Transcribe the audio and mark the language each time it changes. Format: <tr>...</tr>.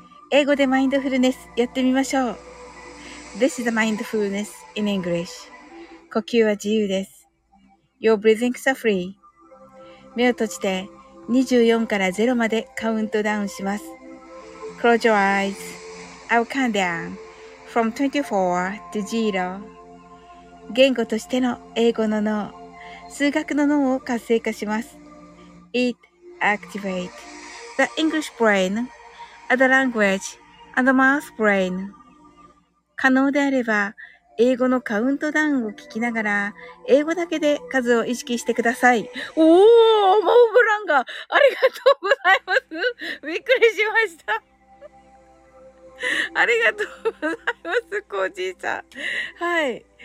<ja>英語でマインドフルネスやってみましょう。</ja> <en>This is mindfulness in English.</en> <ja>呼吸は自由です。</ja> <en>Your breathings are free.</en> <ja>目を閉じて24から0までカウントダウンします。</ja> <en>Close your eyes. I'll count down from 24 to 0.</en> <ja>言語としての英語の脳、数学の脳を活性化します。</ja> <en>It activates. The English brain, the language, and the math brain.</en> <ja>可能であれば、英語のカウントダウンを聞きながら、英語だけで数を意識してください。おー、モーブランガー、ありがとうございます。びっくりしました。ありがとうございます、コーチーさん。はい。</ja>